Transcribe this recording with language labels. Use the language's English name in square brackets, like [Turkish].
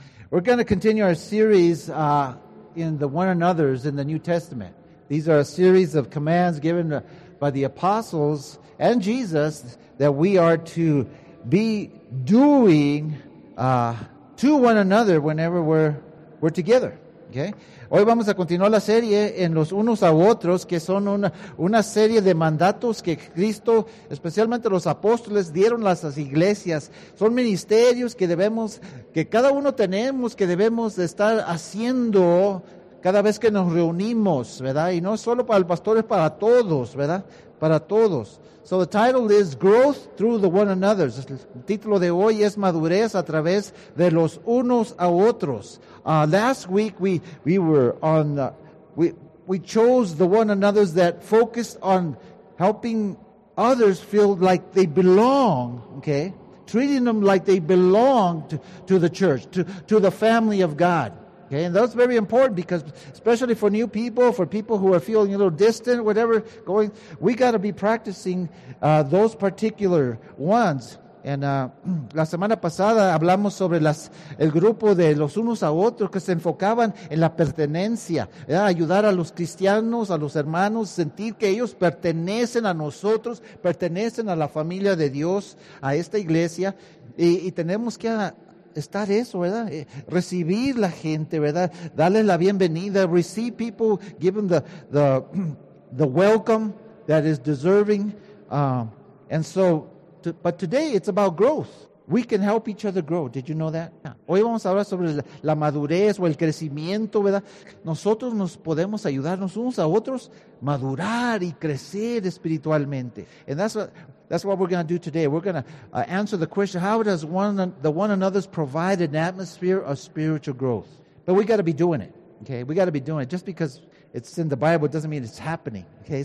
[English] We're going to continue our series in the one another's in the New Testament. These are a series of commands given by the apostles and Jesus that we are to be doing to one another whenever we're together. Okay? [Spanish] Hoy vamos a continuar la serie en los unos a otros, que son una serie de mandatos que Cristo, especialmente los apóstoles, dieron a las iglesias. Son ministerios que cada uno tenemos, que debemos de estar haciendo cada vez que nos reunimos, ¿verdad? Y no solo para el pastor, es para todos, ¿verdad? Para todos. [English] So the title is Growth Through the One Another. [Spanish] El título de hoy es Madurez a través de los unos a otros. [English] Last week we chose the one another's that focused on helping others feel like they belong, okay? Treating them like they belong to the church, to the family of God. Okay, and that's very important because, especially for new people, for people who are feeling a little distant, whatever, going, we got to be practicing those particular ones. And [Spanish] la semana pasada hablamos sobre el grupo de los unos a otros que se enfocaban en la pertenencia, ¿verdad? Ayudar a los cristianos, a los hermanos, sentir que ellos pertenecen a nosotros, pertenecen a la familia de Dios, a esta iglesia, y tenemos que estar eso, ¿verdad? Recibir la gente, ¿verdad? Darles la bienvenida. [English] Receive people, give them the welcome that is deserving. But today it's about growth. We can help each other grow. Did you know that? Yeah. [Spanish] Hoy vamos a hablar sobre la madurez o el crecimiento, ¿verdad? Nosotros nos podemos ayudarnos unos a otros madurar y crecer espiritualmente. [English] And that's what we're going to do today. We're going to answer the question, how does one another's provide an atmosphere of spiritual growth? But we got to be doing it, okay? We got to be doing it. Just because it's in the Bible doesn't mean it's happening, okay?